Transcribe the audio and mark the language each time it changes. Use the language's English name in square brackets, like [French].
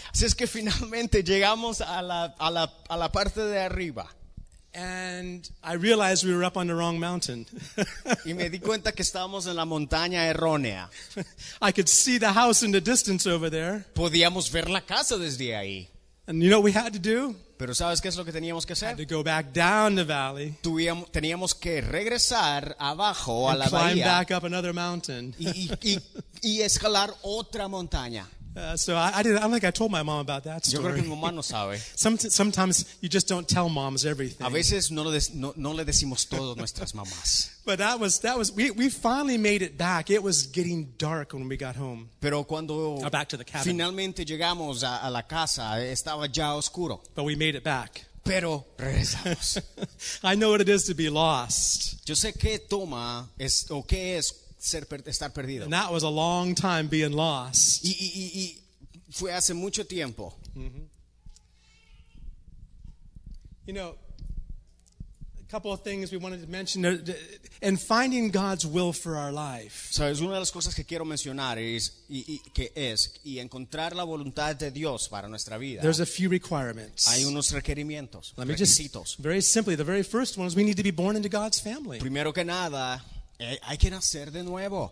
[Spanish] Así es que finalmente llegamos a la parte de arriba. [English] And I realized we were up on the wrong mountain. [Spanish] Y me di cuenta que estábamos en la montaña errónea. [English] I could see the house in the distance over there. [Spanish] Podíamos ver la casa desde ahí. [English] And you know what we had to do? [Spanish] Pero ¿sabes qué es lo que teníamos que hacer? [English] Had to go back down the valley. [Spanish] Teníamos que regresar abajo [English] and [Spanish] a la [English] climb [Spanish] bahía. [English] Climb back up another mountain. [Spanish] Y escalar otra montaña. [English] I told my mom about that story. [Spanish] Yo creo que mi mamá no sabe. [English] Sometimes you just don't tell moms everything. [Spanish] A veces no le decimos todo a nuestras mamás. [English] But we finally made it back. It was getting dark when we got home. [Spanish] Pero cuando [English] back to the cabin. [Spanish] Finalmente llegamos a la casa, estaba ya oscuro. [English] But we made it back. [Spanish] Pero regresamos. [English] I know what it is to be lost. [Spanish] Yo sé qué toma es o qué es estar perdido. [English] And that was a long time being lost. [Spanish] Y fue hace mucho tiempo. Mm-hmm. [English] You know, a couple of things we wanted to mention and finding God's will for our life. [Spanish] Sabes, una de las cosas que quiero mencionar es y encontrar la voluntad de Dios para nuestra vida. [English] There's a few requirements. [Spanish] Hay unos requerimientos. [English] Let me just very simply, the very first one is we need to be born into God's family. [Spanish] Primero que nada, hay que nacer de nuevo.